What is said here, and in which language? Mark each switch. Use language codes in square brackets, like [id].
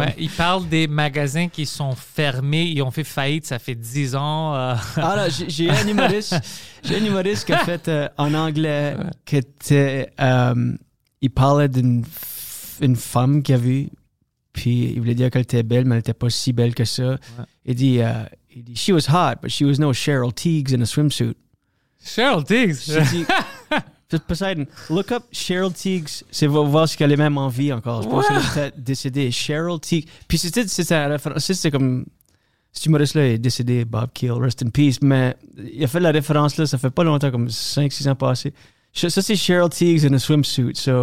[fr] ouais, ils parlent des magasins qui sont fermés. Ils ont fait faillite, ça fait 10 ans. Alors, j'ai un humoriste. J'ai un humoriste qui a fait en anglais. Ouais. Il parlait d'une femme qu'il a vue. Puis il voulait dire qu'elle était belle, mais elle n'était pas si belle que ça. Ouais. Il dit [en] « She was hot, but she was no Cheryl Teagues in a swimsuit. » [fr] Cheryl Teagues? [en] Poseidon, look up Cheryl Teagues. [fr] C'est pour voir si elle est même en vie encore. Je pense qu'elle est décédée. Cheryl Teagues. Puis c'est un référence. C'est comme... Cet humoriste-là est décédé, Bob Keel, [en] rest in peace. [fr] Mais il a fait la référence-là, ça fait pas longtemps, comme 5-6 ans passés. Ça, c'est [en] Cheryl Teagues in a swimsuit. So.